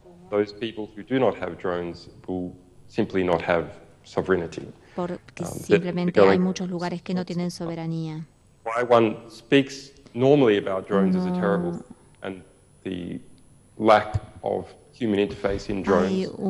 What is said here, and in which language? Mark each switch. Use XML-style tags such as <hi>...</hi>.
<en>Those people who do not have drones will simply not have sovereignty.</en> <es>Porque simplemente hay muchos lugares que no tienen soberanía.</es> <en>Why one speaks normally about drones is a terrible thing, and the lack of human interface in drones</en>